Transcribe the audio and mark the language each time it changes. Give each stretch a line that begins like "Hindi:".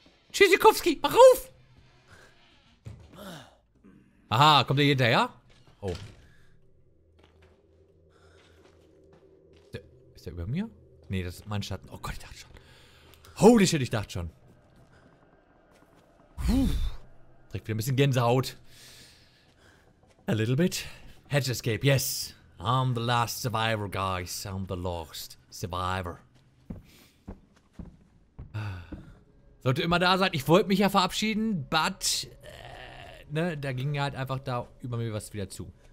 German: Tschüssikowski, mach auf. Aha, kommt der hinterher? Oh. Ist der über mir? Nee, das ist mein Schatten. Oh Gott, ich dachte schon.
English: Holy shit,
German: ich dachte schon. Direkt wieder ein bisschen Gänsehaut.
English: A little bit. Hedge escape, yes. I'm the last survivor, guys. I'm the lost survivor.
German: Sollte immer da sein. Ich wollte mich ja verabschieden,
English: but...
German: ne, da ging halt einfach da über mir was wieder zu.